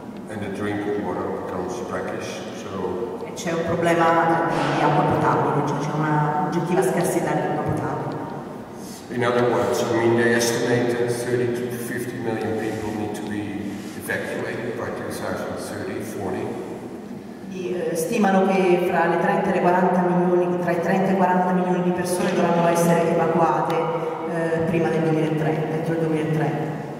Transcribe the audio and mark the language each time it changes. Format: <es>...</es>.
<en>And the drinking water becomes brackish, so...</en> <it>E c'è un problema di acqua potabile, cioè c'è una oggettiva scarsità di acqua potabile.</it> <en>In other words, I mean they estimate that 30 to 50 million people need to be evacuated by 2030-40.</en> <it>Stimano che fra le 30 e le 40 milioni, tra i 30 e 40 milioni di persone dovranno essere evacuate prima del 2030, entro il 2030.</it>